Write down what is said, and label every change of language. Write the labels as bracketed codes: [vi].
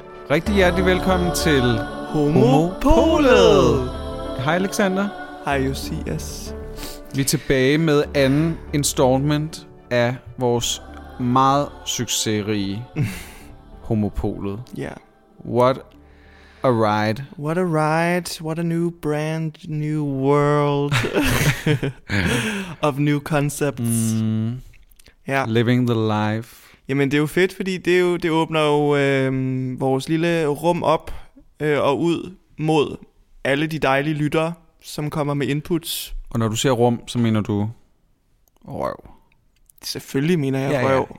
[da] Rigtig hjertelig velkommen til HOMOPOLET! Hej Alexander. Hej Josias. Vi er tilbage med anden installment af vores meget succesrige HOMOPOLET. Ja. [en] Yeah. What a ride. What a ride. What a new brand, new world of new concepts. Yeah. Living the life. [da] Jamen det er jo fedt, fordi det åbner jo vores lille rum op og ud mod alle de dejlige lyttere, som kommer med inputs. Og når du siger rum, så mener du røv. Selvfølgelig mener jeg røv.